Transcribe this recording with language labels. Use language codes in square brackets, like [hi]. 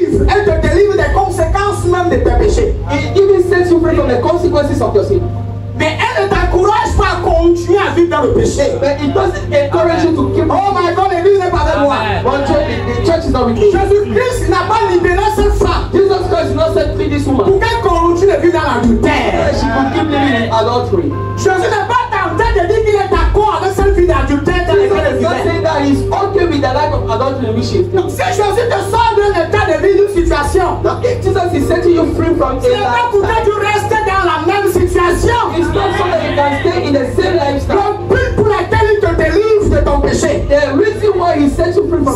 [fr] Elle te délivre des conséquences même de tes péchés. [en] It even sets you free from the consequences of your sin. [fr] Mais elle ne t'encourage pas à continuer à vivre dans le péché. [en] But it doesn't encourage you to keep. Oh my God, [fr] l'église n'est pas avec moi. [en] But the church is not with me. [fr] Jésus-Christ n'a pas libéré cette femme. [en] Jesus Christ not set free this woman. [fr] Pour qu'elle continue de vivre dans l'adultère. [en] She will keep living in adultery. [fr] Jésus n'est pas tenté de dire qu'il est d'accord avec cette vie d'adultère. [en] Jesus said that he's okay with the life of adultery which is. [fr] Si Jésus te sort d'un état de vie d'une situation. [en] Now if Jesus is setting you free from a life. [fr] C'est pas pour que tu restes dans la même situation. [en] It's not so that you can stay in the same lifestyle. [fr] Le but pour lequel il te délivre de ton péché. [en] The reason why he sets you free from.